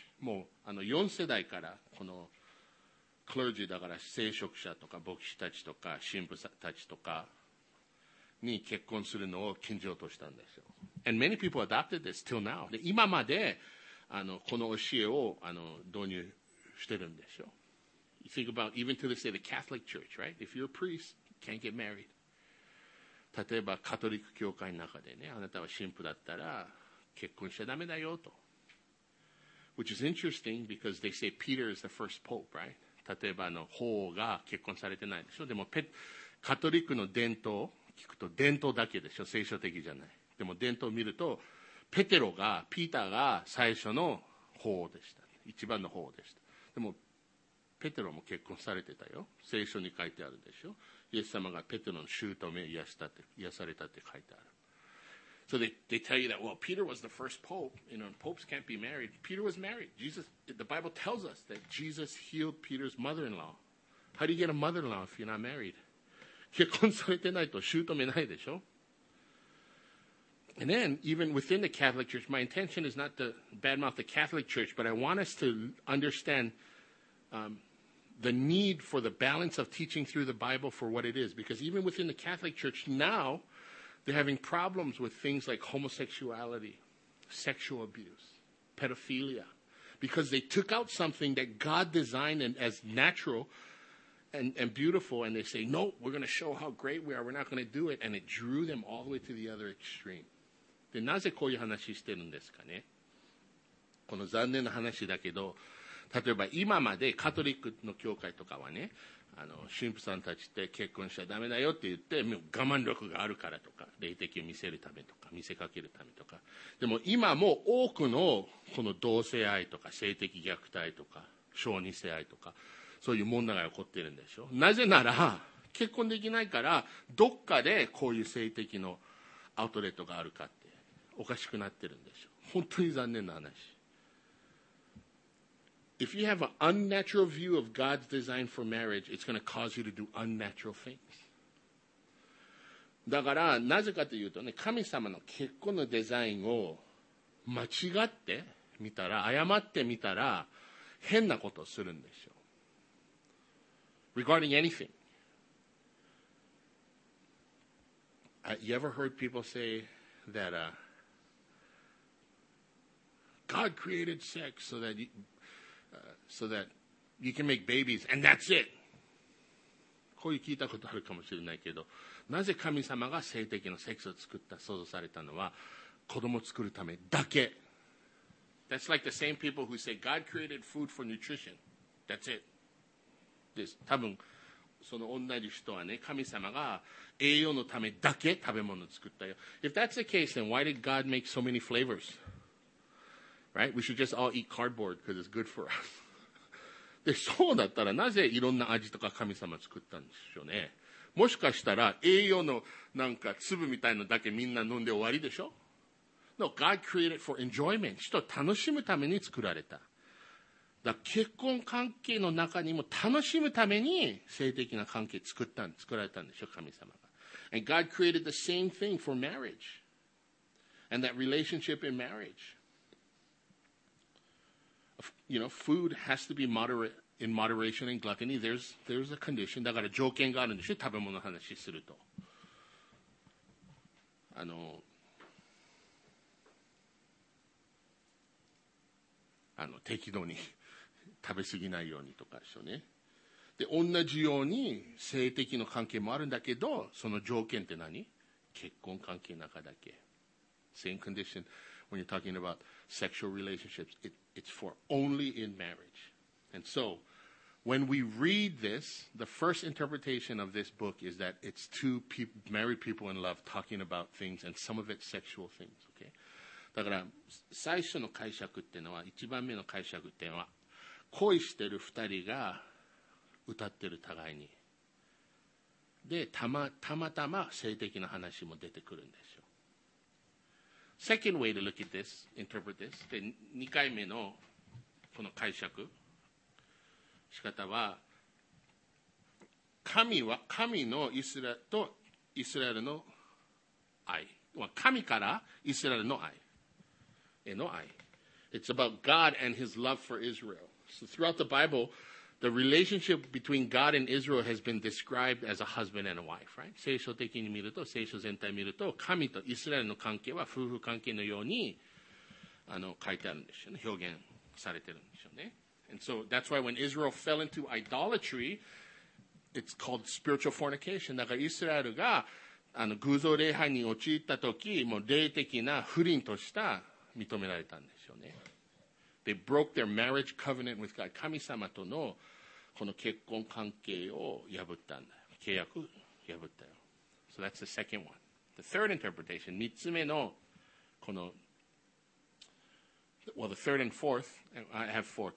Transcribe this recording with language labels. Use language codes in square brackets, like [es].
[ja] もう、4世代から、この、clergy だから聖職者とか牧師たちとか神父たちとかに結婚するのを禁じようとしたんですよ。 [en] And many people adopted this till now. [ja] で、今までこの教えを導入してるんですよ。 [en] You think about even to this day the Catholic Church, right? If you're a priest, can't get married. [ja] 例えばカトリック教会の中でね、あなたは神父だったら結婚しちゃダメだよと。 [en] Which is interesting because they say Peter is the first pope, right? [ja] 例えば法王が結婚されてないでしょ。でもカトリックの伝統聞くと伝統だけでしょ、聖書的じゃない。でも伝統を見るとピーターが最初の法王でした、ね、一番の法王でした。でもペテロも結婚されてたよ、聖書に書いてあるでしょ。イエス様がペテロの姑を癒されたって書いてある。 [en] So they tell you that, well, Peter was the first pope. You know, popes can't be married. Peter was married. Jesus, the Bible tells us that Jesus healed Peter's mother-in-law. How do you get a mother-in-law if you're not married? [ja] 結婚されてないと姑ないでしょ。 [en] And then, even within the Catholic Church, my intention is not to badmouth the Catholic Church, but I want us to understand the need for the balance of teaching through the Bible for what it is. Because even within the Catholic Church now, they're having problems with things like homosexuality, sexual abuse, pedophilia. because they took out something that God designed and as natural and beautiful, and they say, no, we're going to show how great we are. We're not going to do it. And it drew them all the way to the other extreme. [ja] で、なぜこういう話してるんですかね。この残念な話だけど、例えば今までカトリックの教会とかはね、あの神父さんたちって結婚しちゃダメだよって言って、もう我慢力があるからとか、霊的を見せるためとか、見せかけるためとか。でも今も多くのこの同性愛とか、性的虐待とか、小児性愛とか、そういう問題が起こってるんでしょ。なぜなら、結婚できないから、どっかでこういう性的のアウトレットがあるかって、おかしくなってるんでしょ。本当に残念な話。 [en] If you have an unnatural view of God's design for marriage, it's going to cause you to do unnatural things. [ja] だから、なぜかというとね、神様の結婚のデザインを間違ってみたら、誤ってみたら、変なことをするんでしょう。 [en] Regarding anything. You ever heard people say that God created sex so that you can make babies, and that's it. [ja] こういう聞いたことあるかもしれないけど、なぜ神様が性的のセックスを作った、想像されたのは、子供を作るためだけ。 [en] That's like the same people who say, God created food for nutrition. That's it. [ja] です。多分、その同じ人はね、神様が栄養のためだけ食べ物を作ったよ。 [en] If that's the case, then why did God make so many flavors? Right? We should just all eat cardboard because it's good for us. [ja] で、そうだったらなぜいろんな味とか神様作ったんでしょうね。もしかしたら栄養のなんか粒みたいのだけみんな飲んで終わりでしょ ? [en] No, God created for enjoyment. [ja] 人を楽しむために作られた。だから結婚関係の中にも楽しむために性的な関係作られたんでしょ、神様が。 [en] And God created the same thing for marriage. And that relationship in marriage. You know, food has to be moderate in moderation and gluttony. There's a condition. [ja] だから条件があるんでしょ、食べ物の話すると。あの、適度に食べ過ぎないようにとかでしょね。で、同じように性的の関係もあるんだけど、その条件って何？結婚関係の中だけ。 [en] Same condition when you're talking about sexual relationships. It's for only in marriage. And so, when we read this, the first interpretation of this book is that it's two married people in love talking about things, and some of it's sexual things. Okay? [ja] だから、最初の解釈っていうのは、一番目の解釈っていうのは、恋してる二人が歌ってる互いに。で、たまたま性的な話も出てくるんですよ。 [en] Second way to look at this, interpret this. [ja] で、2回目のこの解釈仕方は、神のイスラエルとイスラエルの愛。神からイスラエルの愛。への愛。 [en] It's about God and his love for Israel. So throughout the Bible, the relationship between God and Israel has been described as a husband and a wife, right? [ja] 聖書的に見ると、聖書全体見ると、神とイスラエルの関係は夫婦関係のように書いてあるんですよね。表現されてるんですよね。 [en] And so that's why when Israel fell into idolatry, it's called spiritual fornication. [ja] だからイスラエルが偶像礼拝に陥った時、もう霊的な不倫とした認められたんですよね。 [en] They broke their marriage covenant with God. [ja] 神様とのこの結婚関係を破ったんだ。契約破ったよ。 [en] So that's the second one. The third interpretation, [ja] 三つ目のこの、 [en] well, the third and fourth, I have four.